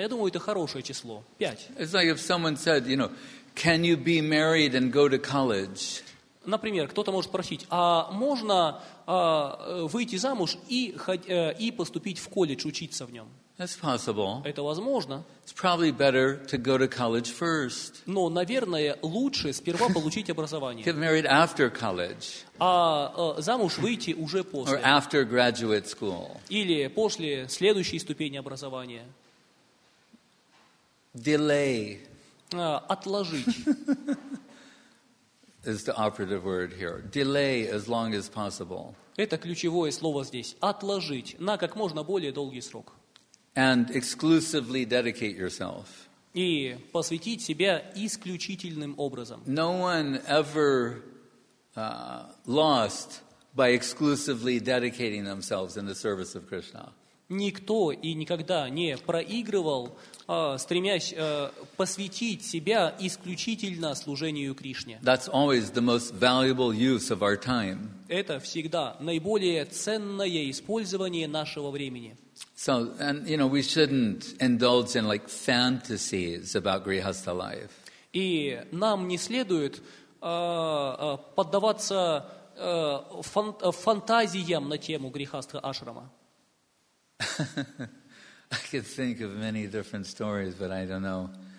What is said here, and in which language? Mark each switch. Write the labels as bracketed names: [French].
[Russian] Я думаю, это хорошее число. [English] 5. It's like if someone said, you know, can you be married and go to college? [Russian] Например, кто-то может спросить, а можно выйти замуж и поступить в колледж, учиться в нем? [English] That's possible. [Russian] Это возможно. [English] It's probably better to go to college first. [Russian] Но, наверное, лучше сперва получить образование. [English] Get married after college. [Russian] А замуж выйти уже после. [English] Or after graduate school. [Russian] Или после следующей ступени образования. [English] Delay. [Russian] Отложить. [English] Is the operative word here. Delay as long as possible. [Russian] Это ключевое слово здесь. Отложить на как можно более долгий срок. [English] And exclusively dedicate yourself. [Russian] И посвятить себя исключительным образом. [English] No one ever lost by exclusively dedicating themselves in the service of Krishna. [Russian] Никто и никогда не проигрывал, стремясь посвятить себя исключительно служению Кришне. [English] That's always the most valuable use of our time. [Russian] Это всегда наиболее ценное использование нашего времени. [English] So, and you know, we shouldn't indulge in like fantasies about grihastha life. [Russian] И нам не следует поддаваться фантазиям на тему грихастха ашрама. [English] I could think of many different stories, but I don't know.